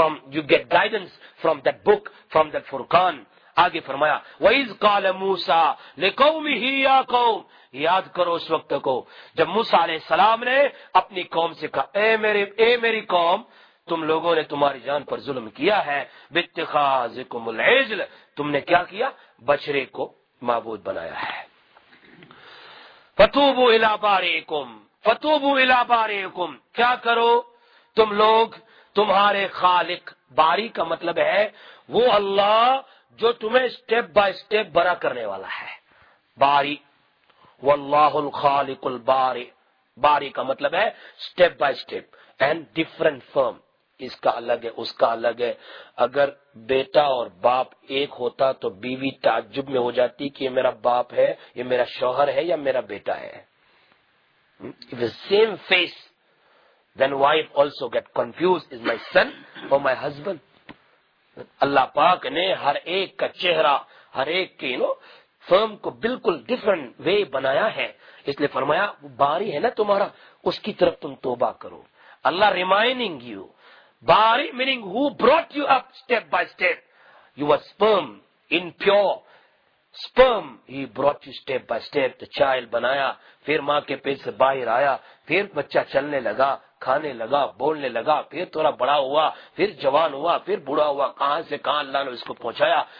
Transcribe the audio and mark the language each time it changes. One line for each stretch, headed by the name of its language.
English: you get guidance from that book, from that فرقان.
Urdu: آگے فرمایا
Arabic: وَإِذْ قَالَ مُوسَىٰ لِقَوْمِهِ يَا قَوْمِ,
Urdu: یاد کرو اس وقت کو جب موسیٰ علیہ السلام نے اپنی قوم سے کہا اے میری قوم, تم لوگوں نے تمہاری جان پر ظلم کیا ہے,
Arabic: باتخاذکم العجل,
Urdu: تم نے کیا کیا, بچرے کو معبود بنایا ہے.
Arabic: فتوبو الی باریکم,
Urdu: کیا کرو تم لوگ, تمہارے خالق, باری کا مطلب ہے وہ اللہ جو تمہیں سٹیپ بائی سٹیپ بڑا کرنے والا ہے. باری, واللہ الخالق الباری کا مطلب ہے
English: step by step and different form,
Urdu: اس کا الگ ہے اس کا الگ ہے. اگر بیٹا اور باپ ایک ہوتا تو بیوی تعجب میں ہو جاتی کہ یہ میرا باپ ہے, یہ میرا شوہر ہے یا میرا بیٹا ہے.
English: If the same face, then wife also get confused, is my son or my husband.
Urdu: اللہ پاک نے ہر ایک کا چہرہ, ہر ایک کے فرم کو بالکل ڈفرنٹ وے بنایا ہے. اس لیے فرمایا باری ہے نا تمہارا, اس کی طرف تم توبہ کرو. اللہ
English: reminding you, باری meaning who brought you up step by step, you are sperm impure sperm, he brought you step by step, the child
Urdu: بنایا, پھر ماں کے پیٹ سے باہر آیا, پھر بچہ چلنے لگا, کھانے لگا, بولنے لگا, پھر تھوڑا بڑا ہوا, پھر جوان ہوا, پھر بوڑھا ہوا, کہاں سے کہاں اللہ نے اس کو پہنچایا.